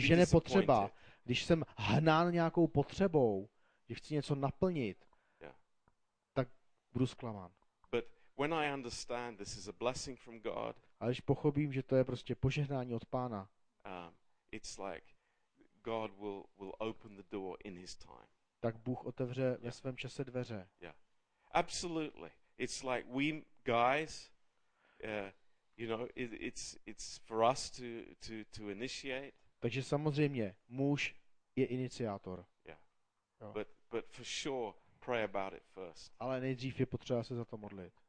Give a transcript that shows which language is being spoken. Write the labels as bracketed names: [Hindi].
[Czech] potřeba, když jsem hnán nějakou potřebou, že chci něco naplnit, yeah, tak budu zklamán. [English] But when I understand this is a blessing from God, [Czech] ale když pochopím, že to je prostě požehnání od Pána, [English] it's like God will open the door in his time. [Czech] Tak Bůh otevře ve svém čase dveře. [English] Yeah. Absolutely. It's like we guys you know, it's for us to initiate. [Czech] Takže samozřejmě muž je iniciátor. [English] Yeah. Jo. But for sure pray about it first. [Czech] Ale nejdřív je potřeba se za to modlit.